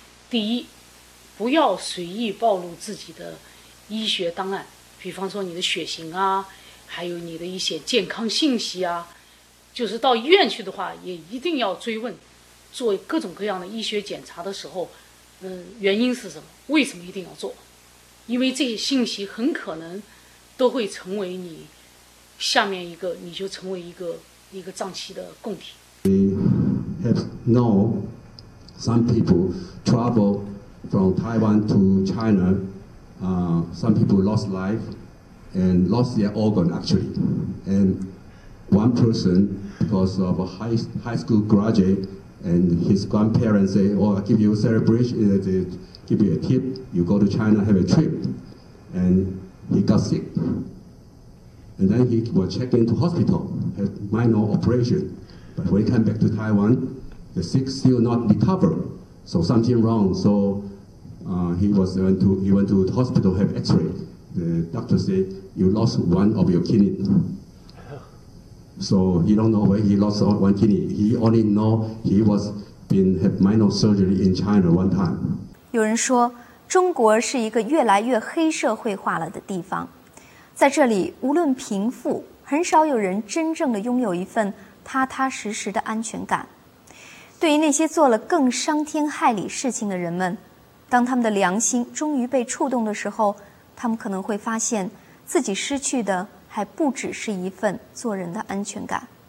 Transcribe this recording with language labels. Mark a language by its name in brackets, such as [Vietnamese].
[Chinese] 第一，不要随意暴露自己的医学档案，比方说你的血型啊，还有你的一些健康信息啊，就是到医院去的话也一定要追问，做各种各样的医学检查的时候，原因是什么，为什么一定要做，因为这些信息很可能都会成为你下面一个，你就成为一个脏器的供体。 [English] We have known some people travel from Taiwan to China, some people lost life and lost their organ actually, and one person because of a high school graduateAnd his grandparents say, oh, I'll give you a celebration, give you a tip, you go to China, have a trip. And he got sick. And then he was checked into hospital, had minor operation. But when he came back to Taiwan, the sick still not recovered. So something wrong. So he went to the hospital, have x-ray. The doctor said, you lost one of your kidneys. So he don't know where he lost one kidney. He only know he was been had minor surgery in China one time. [Chinese] 有人说，中国是一个越来越黑社会化了的地方。在这里，无论贫富，很少有人真正的拥有一份踏踏实实的安全感。对于那些做了更伤天害理事情的人们，当他们的良心终于被触动的时候，他们可能会发现自己失去的还不只是一份做人的安全感。